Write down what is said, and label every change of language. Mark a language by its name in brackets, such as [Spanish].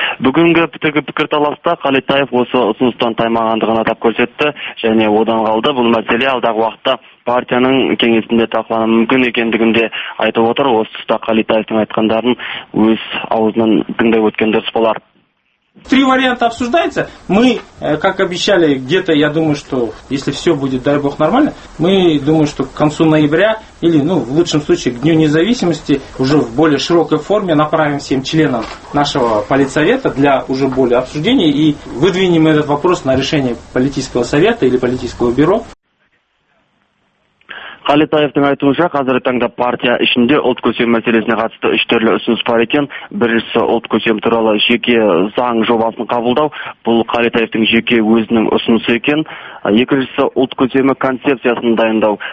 [Kazakh] Бүгінгі пікір таласта Қалит Таев осы ұсыныстан таймағандығын атап көрсетті. Және одан қалды, бұл мәселе алдағы уақытта партияның кеңесінде талқылануы мүмкін екендігінде айтып отыр. Осы тұста Қалитаевтың айтқандарын өз аузынан тыңдап өткен дұрыс болар. [Russian] Три варианта обсуждается. Мы, как обещали, где-то, я думаю, что если все будет, дай бог, нормально, мы думаем, что к концу ноября или, ну, в лучшем случае, к Дню независимости уже в более широкой форме направим всем членам нашего политсовета для уже более обсуждения и выдвинем этот вопрос на решение политического совета или политического бюро. [Kazakh] Қалетаевтың айтуынша, қазіргі таңда партия ішінде ұлт көсем мәселесіне қатысты үш түрлі ұсыныс бар екен. Біріншісі, ұлт көсем туралы жеке заң жобасын қабылдау. Бұл Қалетаевтың жеке өзінің ұсынысы екен. Екіншісі, ұлт көсемі концепциясын дайындау.